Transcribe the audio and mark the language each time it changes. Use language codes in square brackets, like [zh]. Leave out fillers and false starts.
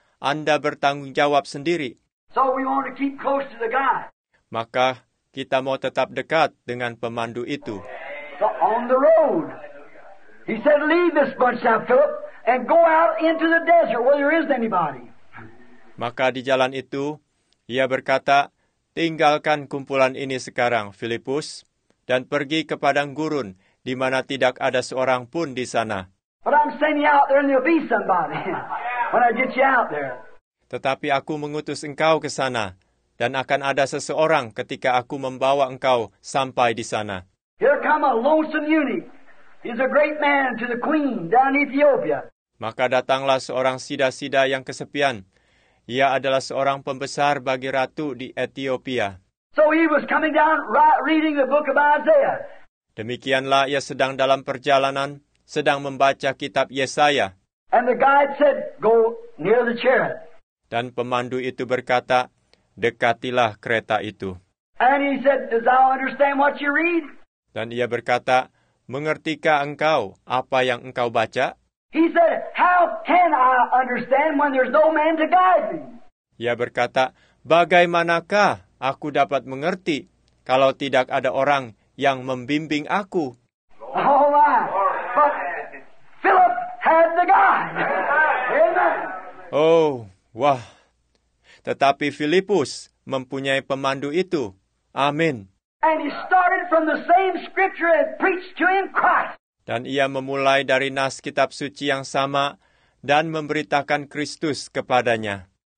[id] Anda bertanggung jawab sendiri. [en] So we want to keep close to the guide. [id] Maka kita mau tetap dekat dengan pemandu itu. [en] So on the road, he said, leave this bunch now, Philip, and go out into the desert where there isn't anybody. [id] Maka di jalan itu, ia berkata, tinggalkan kumpulan ini sekarang, Filipus, dan pergi ke padang gurun, di mana tidak ada seorang pun di sana. [en] But I'm sending you out there and there'll be somebody when I get you out there. [id] Tetapi aku mengutus engkau ke sana, dan akan ada seseorang ketika aku membawa engkau sampai di sana. [en] Here come a lonesome eunuch. He's a great man to the queen down Ethiopia. [id] Maka datanglah seorang sida-sida yang kesepian. Ia adalah seorang pembesar bagi ratu di Ethiopia. [en] So he was coming down right reading the book of Isaiah. [id] Demikianlah ia sedang dalam perjalanan, sedang membaca kitab Yesaya. [en] And the guide said, go near the chariot. [id] Dan pemandu itu berkata, dekatilah kereta itu. [en] And he said, does thou understand what you read? [id] Dan ia berkata, mengertikah engkau apa yang engkau baca? [en] He said, how can I understand when there's no man to guide me? [id] Ia berkata, bagaimanakah aku dapat mengerti kalau tidak ada orang yang membimbing aku? [en] Oh my, but Philip had the guide. Amen. [id] Oh, wah. Tetapi Filipus mempunyai pemandu itu. Amin. [en] And he started from the same scripture and preached to him Christ. [id] Dan ia memulai dari nas kitab suci yang sama dan memberitakan Kristus kepadanya.